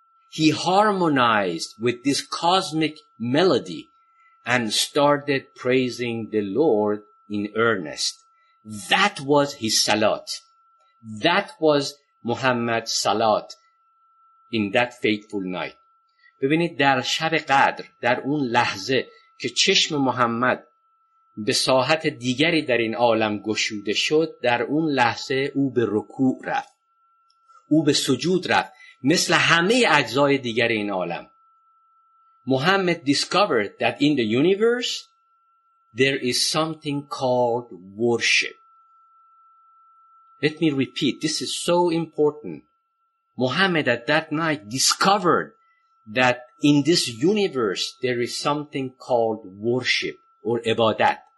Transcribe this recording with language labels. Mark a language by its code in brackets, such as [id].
[en] He harmonized with this cosmic melody and started praising the Lord in earnest. That was his salat. That was Muhammad's salat in that fateful night. [fa] ببینید در شب قدر، در اون لحظه که چشم محمد به ساحت دیگری در این عالم گشوده شد، در اون لحظه او به رکوع رفت، او به سجود رفت مثل همه اجزای دیگر این عالم. [en] Muhammad discovered that in the universe there is something called worship. Let me repeat, this is so important. Muhammad at that night discovered that in this universe there is something called worship or ibadat.